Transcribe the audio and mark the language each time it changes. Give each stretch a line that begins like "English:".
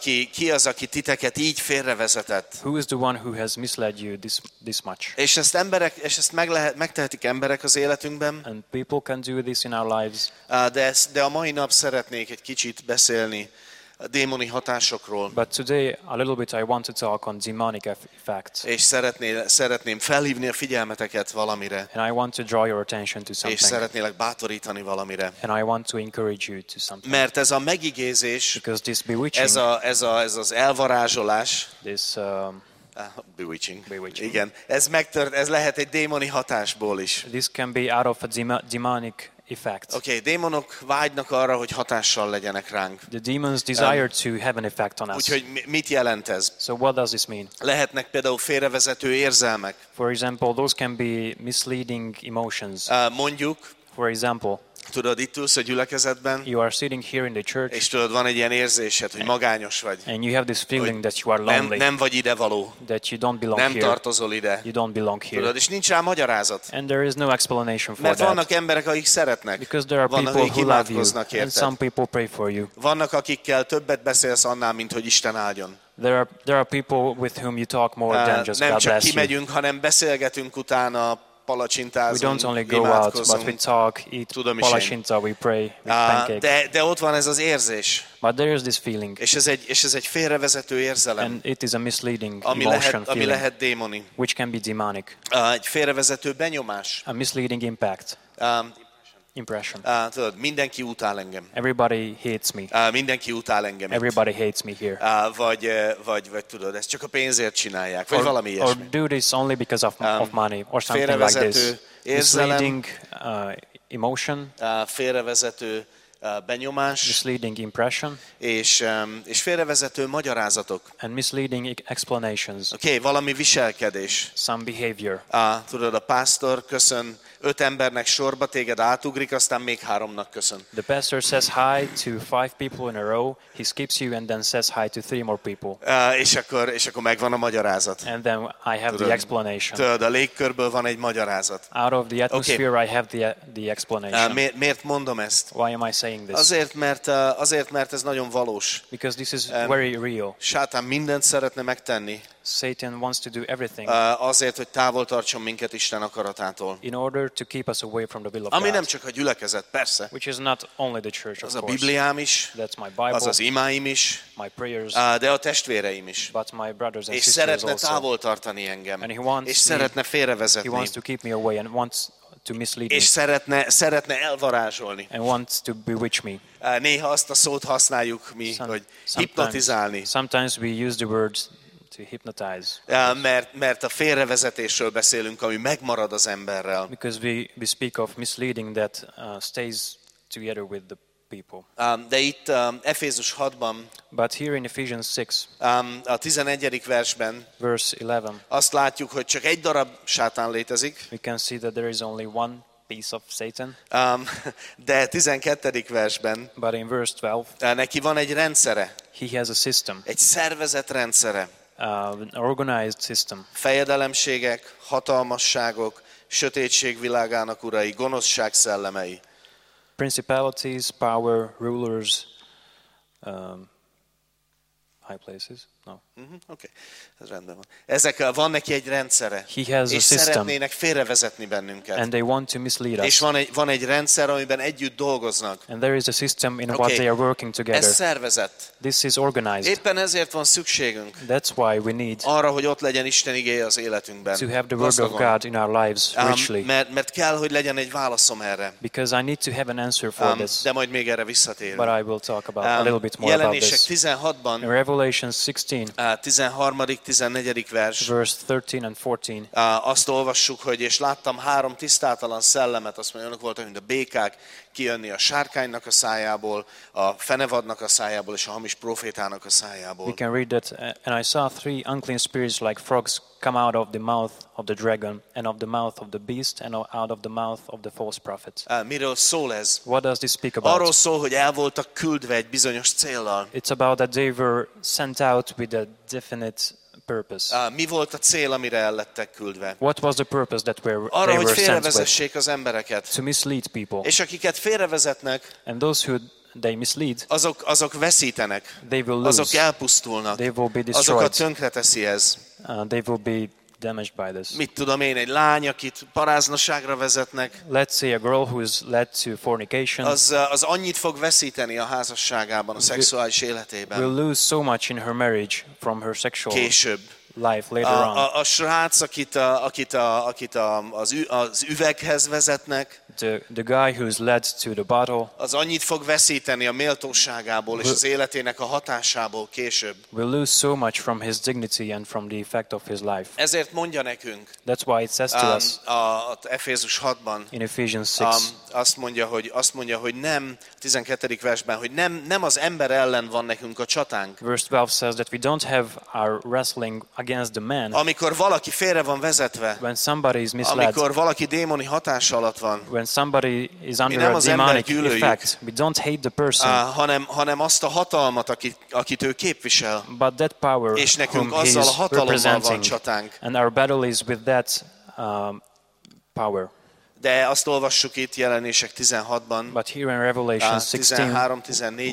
Hungarian: Ki az aki titeket így félrevezetett?
English: Who is the one who has misled you this much?
Hungarian: És ezt megtehetik emberek az életünkben.
English: And people can do this in our lives.
Hungarian: De a mai nap szeretnék egy kicsit beszélni a démoni hatásokról.
English: But today a little bit I want to talk on demonic effects.
Hungarian: És szeretném felhívni a figyelmeteket valamire.
English: And I want to draw your attention to something.
Hungarian: És szeretnélek bátorítani valamire.
English: And I want to encourage you to something.
Hungarian: Mert ez a megigézés,
English: because this bewitching,
Hungarian: ez az elvarázsolás,
English: this bewitching.
Hungarian: Igen, ez lehet egy démoni hatásból is.
English: This can be out of a demonic effect.
Hungarian: Okay, démonok vágynak arra, hogy hatással legyenek ránk.
English: The demons desire to have an effect on us.
Hungarian: Úgyhogy mit jelent ez?
English: So what does this mean?
Hungarian: Lehetnek például félrevezető érzelmek.
English: For example, those can be misleading emotions.
Hungarian: Mondjuk,
English: for example,
Hungarian: tudod, itt ülsz a gyülekezetben.
English: You are sitting here in the church.
Hungarian: És tudod, van egy ilyen érzésed, hogy magányos vagy.
English: And you have this feeling that you are lonely.
Hungarian: Nem vagy ide való.
English: That you don't belong
Hungarian: nem
English: here.
Hungarian: Nem tartozol ide.
English: You don't belong here.
Hungarian: Tudod, és nincs rá magyarázat.
English: And there is no explanation for that.
Hungarian: Mert vannak emberek, akik szeretnek.
English: Because there are
Hungarian: vannak,
English: people who love you.
Hungarian: Vannak, akik imádkoznak érted.
English: And some people pray for you.
Hungarian: Vannak, akikkel többet beszélsz annál, mint hogy Isten áldjon.
English: There are people with whom you talk more than just God bless you.
Hungarian: Nem csak kimegyünk, hanem beszélgetünk utána.
English: We don't only go out, but we talk, eat palacsinta, we pray, pancakes.
Hungarian: De ott van ez az érzés.
English: But there is this feeling.
Hungarian: És ez egy félrevezető érzelem.
English: And it is a misleading
Hungarian: ami
English: emotion
Hungarian: lehet,
English: feeling.
Hungarian: Ami lehet démoni.
English: Which can be demonic.
Hungarian: Egy félrevezető benyomás.
English: A misleading impact. Impression.
Hungarian: Tudod, mindenki utál engem.
English: Everybody hates me.
Hungarian: Mindenki utál engem.
English: Everybody hates me here.
Hungarian: Vagy tudod, ezt csak a pénzért csinálják, vagy valami ilyesmi.
English: Or do this only because of money or something like this.
Hungarian: Félrevezető érzelem.
English: Misleading emotion.
Hungarian: Félrevezető benyomás.
English: Misleading impression.
Hungarian: És félrevezető magyarázatok.
English: And misleading explanations.
Hungarian: Okay, valami viselkedés.
English: Some behavior.
Hungarian: Tudod, a pásztor köszön. 5 embernek sorba téged átugrik, aztán még 3-nak köszön.
English: The pastor says hi to 5 people in a row. He skips you and then says hi to 3 more people.
Hungarian: És akkor megvan a magyarázat.
English: And then I have the explanation.
Hungarian: Tudod, a légkörből van egy magyarázat.
English: Out of the atmosphere I have the explanation.
Hungarian: Miért mondom ezt?
English: Why am I saying this?
Hungarian: Azért, mert ez nagyon valós.
English: Because this is very real.
Hungarian: Sátán mindent szeretne megtenni.
English: Satan wants to do everything.
Hungarian: Azért, hogy távol tartson minket Isten akaratától.
English: In order to keep us away from the will of
Hungarian: God. Ami nem csak a gyülekezet, persze.
English: Which is not only the church, of course.
Hungarian: Az a Bibliám is.
English: That's my Bible.
Hungarian: Az az imáim is.
English: My prayers.
Hungarian: De a testvéreim is.
English: But my brothers and sisters also.
Hungarian: És szeretne távol tartani engem.
English: And he wants.
Hungarian: És szeretne félrevezetni.
English: He wants to keep me away and wants to mislead me.
Hungarian: És szeretne elvarázsolni.
English: And wants to bewitch me.
Hungarian: Néha azt a szót használjuk mi, hogy hipnotizálni.
English: Sometimes we use the words to hypnotize.
Hungarian: Mert a félrevezetésről beszélünk, ami megmarad az emberrel.
English: Because we speak of misleading that stays together with the people.
Hungarian: De itt Efézus 6-ban,
English: but here in Ephesians 6,
Hungarian: a 11. versben,
English: verse 11,
Hungarian: azt látjuk, hogy csak egy darab Sátán létezik.
English: We can see that there is only one piece of Satan.
Hungarian: De 12. versben,
English: but in verse 12,
Hungarian: neki van egy rendszere.
English: He has a system.
Hungarian: Egy szervezet rendszere.
English: An organized system.
Hungarian: Fejedelemségek, hatalmasságok, sötétség világának urai, gonoszság szellemei.
English: Principalities, power, rulers, high places. No.
Hungarian: Okay. Ez rendben van. Ezek van neki egy rendszere.
English: He has a system.
Hungarian: És szeretnének félrevezetni bennünket.
English: And they want to mislead us.
Hungarian: És van egy rendszer, amiben együtt dolgoznak.
English: And there is a system in what they are working together.
Hungarian: Ez szervezett.
English: This is organized.
Hungarian: Éppen ezért van szükségünk.
English: That's why we need.
Hungarian: Arra, hogy ott legyen Isten igéje az életünkben.
English: To have the word of God in our lives richly.
Hungarian: Mert kell, hogy legyen egy válaszom erre.
English: Because I need to have an answer for this.
Hungarian: De majd még erre visszatérünk.
English: But I will talk about a little bit more about this.
Hungarian: Jelenések 16-ban.
English: In Revelation 16.
Hungarian: 13-14. Vers.
English: Verse 13 and 14.
Hungarian: Azt olvassuk, hogy és láttam három tisztátalan szellemet, azt mondja, önök voltak, mint a békák, kijönni a sárkánynak a szájából, a fenevadnak a szájából és a hamis profétának a szájából.
English: We can read that, and I saw three unclean spirits like frogs come out of the mouth of the dragon and of the mouth of the beast and out of the mouth of the false prophet.
Hungarian: Miről szól ez?
English: What does this speak about?
Hungarian: Arról szól, hogy el voltak küldve egy bizonyos céllal.
English: It's about that they were sent out with a definite purpose.
Hungarian: Mi volt a cél, amire el lettek küldve?
English: What was the purpose that were,
Hungarian: arra,
English: they were sent with?
Hungarian: Arra, hogy félrevezessék az embereket.
English: To mislead people.
Hungarian: És akiket félrevezetnek,
English: and those who they mislead,
Hungarian: azok veszítenek.
English: They will lose.
Hungarian: Azok elpusztulnak.
English: They will be destroyed.
Hungarian: Azokat tönkreteszi ez.
English: They will be damaged by this.
Hungarian: Mit tudom én, egy lány, akit paráznosságra vezetnek.
English: Let's say a girl who is led to fornication.
Hungarian: Az annyit fog veszíteni a házasságában, a szexuális életében.
English: Will lose so much in her marriage from her sexual
Hungarian: később
English: life later on.
Hungarian: A srác, akit az üveghez vezetnek.
English: The guy who is led to the bottle.
Hungarian: Az annyit fog veszíteni a méltóságából és az életének a hatásából később.
English: Will lose so much from his dignity and from the effect of his life.
Hungarian: Ezért mondja nekünk.
English: That's why it says to us.
Hungarian: Efézus 6-ban.
English: In Ephesians 6.
Hungarian: Azt mondja, hogy nem, 12. versben, hogy nem az ember ellen van nekünk a csatánk.
English: Verse 12 says that we don't have our wrestling against the man.
Hungarian: Amikor valaki félre van vezetve.
English: When somebody is misled.
Hungarian: Amikor valaki démoni hatás alatt van.
English: When somebody is under a demonic effect, we don't hate the person,
Hungarian: hanem azt a hatalmat, akit ő képvisel,
English: but that power,
Hungarian: és nekünk azzal a hatalommal van csatánk.
English: And our battle is with that power.
Hungarian: De azt olvassuk itt Jelenések 16-ban,
English: but here in Revelation 16,